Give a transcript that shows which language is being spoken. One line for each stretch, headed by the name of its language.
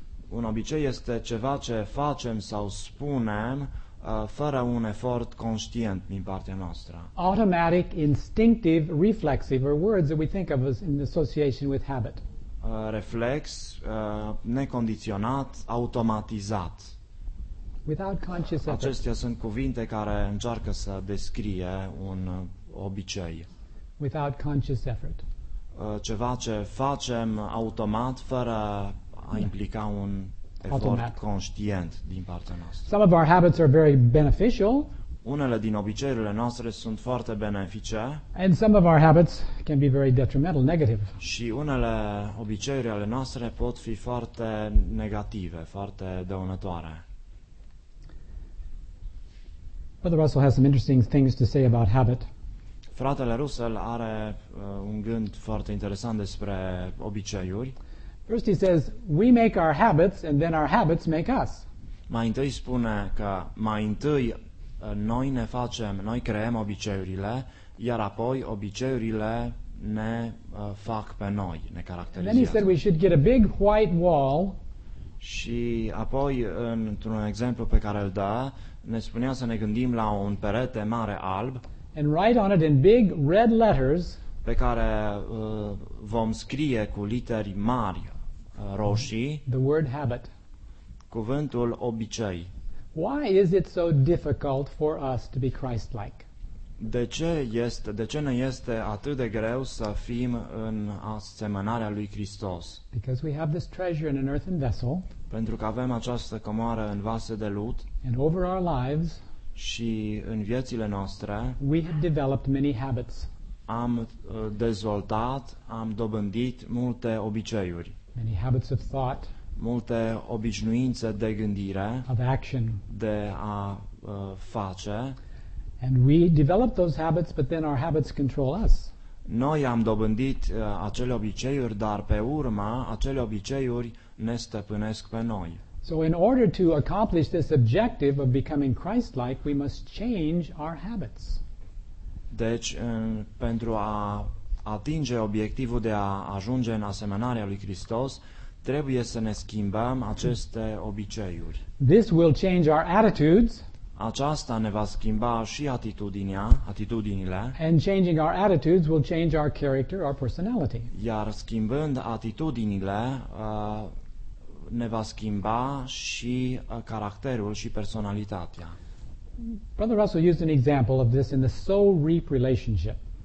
Romanian: Un obicei este ceva ce facem sau spunem fără un efort conștient din partea noastră.
English: Automatic, instinctive, reflexive are words that we think of as in association with habit.
Romanian: Reflex, necondiționat, automatizat.
English: Without conscious effort.
Romanian: Acestea sunt cuvinte care încearcă să descrie un obicei.
English: Without conscious effort.
Romanian: Ceva ce facem automat fără a implica un efort automat conștient din partea noastră.
English: Some of our habits are very beneficial.
Romanian: Unele din obiceiurile noastre sunt foarte benefice.
English: And some of our habits can be very detrimental, negative.
Romanian: Și unele obiceiuri ale noastre pot fi foarte negative, foarte dăunătoare.
English: Brother Russell has some interesting things to say about habit.
Romanian: Fratele Russell are un gând foarte interesant despre obiceiuri.
English: First he says, we make our habits and then our habits make us.
Romanian: Mai întâi spune că mai întâi noi ne facem, noi creăm obiceiurile, iar apoi obiceiurile ne fac pe noi, ne caracterizează.
English: Then he said we should get a big white wall.
Romanian: Și apoi într-un exemplu pe care îl dă, ne spunea să ne gândim la un perete mare alb.
English: And write on it in big red letters.
Romanian: Pe care vom scrie cu literi mari roșii
English: the word habit.
Romanian: Cuvântul obicei.
English: Why is it so difficult for us to be Christ-like?
Romanian: De ce ne este atât de greu să fim în asemănarea lui Hristos?
English: Because we have this treasure in an earthen vessel.
Romanian: Pentru că avem această comoară în vase de lut.
English: And over our lives,
Romanian: și în viețile noastre,
English: we have developed many habits.
Romanian: Am dobândit multe obiceiuri.
English: Many habits of thought.
Romanian: Multe obișnuințe de gândire,
English: of action,
Romanian: de a face.
English: And we develop those habits, but then our habits control us.
Romanian: Noi am dobândit acele obiceiuri, dar pe urmă acele obiceiuri ne stăpânesc pe noi.
English: So in order to accomplish this objective of becoming Christ-like, we must change our habits.
Romanian: Deci, pentru a atinge obiectivul de a ajunge în asemănarea lui Hristos, trebuie să ne schimbăm aceste obiceiuri.
English: This will change our attitudes.
Romanian: Aceasta ne va schimba și atitudinile.
English: And changing our attitudes will change our character, our personality.
Romanian: Iar schimbând atitudinile, ne va schimba și caracterul și personalitatea.
English: Brother Russell used an example of this in the sow-reap relationship.